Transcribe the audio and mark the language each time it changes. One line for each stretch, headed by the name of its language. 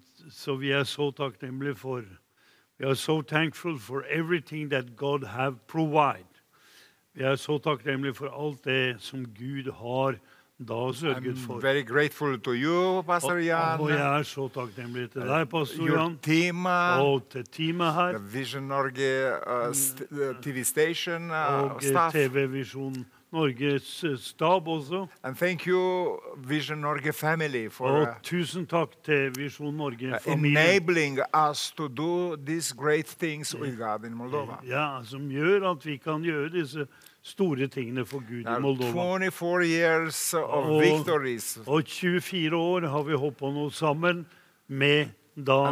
English: So we are so takknemlige for, we are so thankful for everything that God have provided.
Norwegian: Vi så takknemlige for alt det som Gud har da sørget for.
English: I'm very grateful to you, Pastor Jan.
Norwegian: Og jeg så takknemlige til deg, Pastor Jan.
English: Your team.
Norwegian: Og til teamet her.
English: The Vision Norge TV station
Norwegian: og staff. Og TV Vision Norges stab også.
English: And thank you, Vision Norge family. For
Norwegian: og tusen takk til Vision Norge familie.
English: Enabling us to do these great things with God in Moldova.
Norwegian: Ja, som gjør at vi kan gjøre disse store tingene for Gud I Moldova.
English: 24 years of victories.
Norwegian: Og 24 år har vi håpet på noe sammen med da